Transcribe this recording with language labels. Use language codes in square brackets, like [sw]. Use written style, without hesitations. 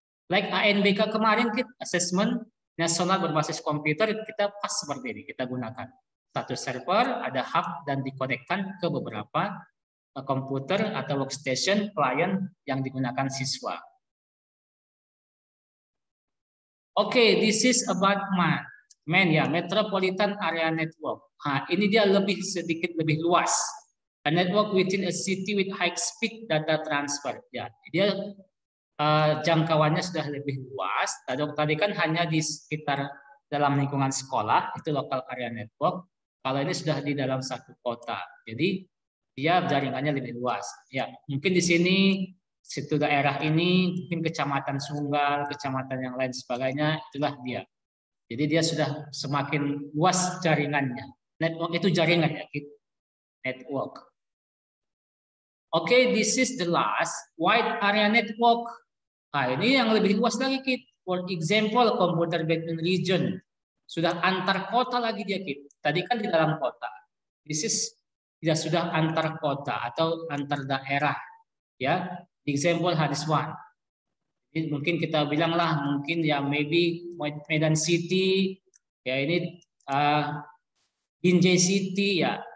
[id] Like ANBK kemarin kit assessment nasional berbasis komputer, kita pas seperti ini, kita gunakan satu server, ada hub dan dikonekkan ke beberapa komputer atau workstation klien yang digunakan siswa. [en] Okay, this is about Metropolitan Area Network. [id] Ini dia lebih sedikit lebih luas. [en] A network within a city with high speed data transfer. [id] Ya, dia jangkauannya sudah lebih luas. Tadi kan hanya di sekitar dalam lingkungan sekolah, itu local area network. Kalau ini sudah di dalam satu kota. Jadi dia jaringannya lebih luas. Ya, mungkin di sini situ daerah ini, mungkin kecamatan Sunggal, kecamatan yang lain sebagainya, itulah dia. Jadi dia sudah semakin luas jaringannya. Network itu jaringan ya, network. [en] Okay, this is the last wide area network. [id] Nah, ini yang lebih luas lagi, Kit. [en] For example, computer between region. [id] Sudah antar kota lagi dia, Kit. Tadi kan di dalam kota. This is dia sudah antar kota atau antar daerah. Ya. Example has one. Ini mungkin kita bilanglah mungkin ya [en] maybe Medan City, [id] ya ini Binjai City ya.